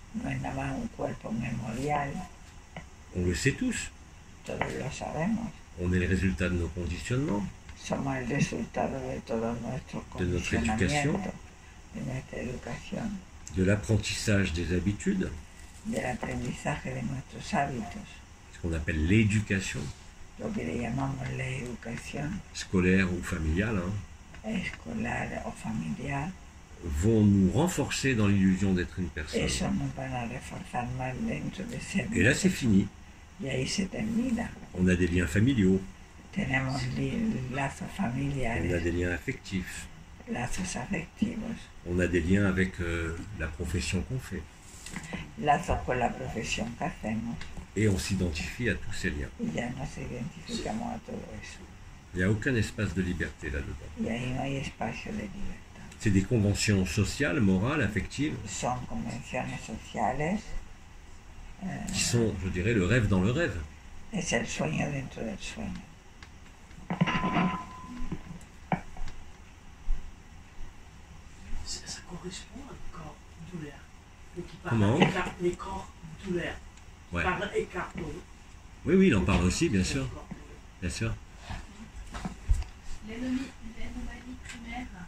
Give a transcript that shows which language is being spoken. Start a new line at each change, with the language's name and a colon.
Spanish: No es nada más un cuerpo memorial.
French: On le sait tous.
Spanish: Todos lo sabemos.
French: On est le résultat de nos conditionnements.
Spanish: Somos el resultado de todo nuestro conditionamiento,
French: de notre éducation. De l'apprentissage des habitudes.
Spanish: Del aprendizaje de nuestros hábitos.
French: qu'on appelle l'éducation.
Spanish: Lo que le llamamos la educación.
French: Scolaire ou familiale. Hein,
Spanish: escolar o familiar.
French: Vont nous renforcer dans l'illusion d'être une personne.
Spanish: Eso nos van a reforzar más dentro de ser.
French: Et là, c'est fini.
Spanish: Y ahí se termina.
French: On a des liens familiaux.
Spanish: Tenemos lazos familiares.
French: On a des liens affectifs.
Spanish: Lazos afectivos.
French: On a des liens avec la profession qu'on fait.
Spanish: Lazos con la profesión que hacemos.
French: Et on s'identifie à tous ces liens.
Spanish: Ya nos identificamos a todo eso.
French: Il n'y a aucun espace de liberté là-dedans.
Spanish: Y ahí no hay espacio de libertad.
French: C'est des conventions sociales, morales, affectives.
Spanish: Son convenciones sociales.
French: Qui sont, je dirais, le rêve dans le rêve.
Spanish: Es el sueño dentro del sueño.
French: Ça correspond à un corps douleur. Donc il parle d'écart, les corps douleur. Ouais. Il parle d'écart. Oui, oui, il en parle aussi, bien sûr. Bien sûr. L'anomalie primaire.